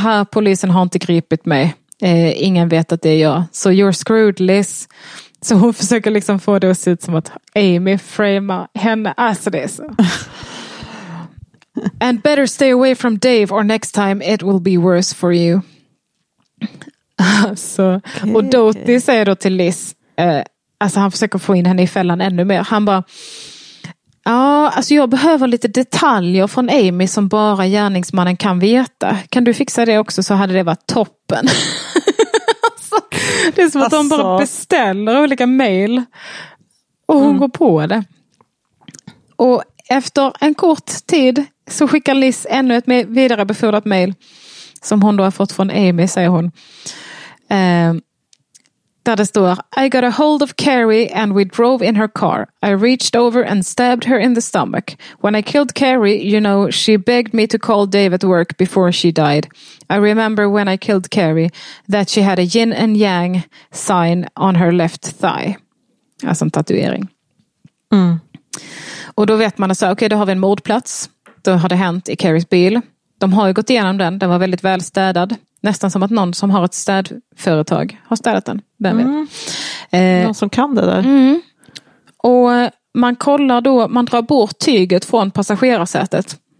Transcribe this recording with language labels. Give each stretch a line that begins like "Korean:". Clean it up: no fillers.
Swedish: Polisen har inte gripit mig. Ingen vet att det är jag.
English: So you're screwed, Liz.
Swedish: Så hon försöker liksom få det att se ut som att Amy framar henne. Alltså det är så.
English: And better stay away from Dave or next time it will be worse for you.
Swedish: Alltså, okay, och Doty säger då till Liz, alltså han försöker få in henne i fällan ännu mer. Han bara, ja, alltså jag behöver lite detaljer från Amy som bara gärningsmannen kan veta. Kan du fixa det också, så hade det varit toppen. Alltså, det är som att de bara beställer olika mejl. Och hon går på det. Och efter en kort tid så skickar Liz ännu ett vidarebefordrat mejl. Som hon då har fått från Amy, säger hon. Där det står,
English: I got a hold of Carrie and we drove in her car. I reached over and stabbed her in the stomach. When I killed Carrie, you know, she begged me to call Dave at work before she died. I remember when I killed Carrie that she had a yin and yang sign on her left thigh.
Swedish: Alltså en tatuering. Mm. Och då vet man att okej, då har vi en mordplats. Då har det hänt i Carries bil. De har ju gått igenom den. Den var väldigt väl städad. Nästan som att någon som har ett städföretag har städat den. Vem vet? Någon som kan det där. Mm. Och man kollar då, man drar bort tyget från passagerarsätet.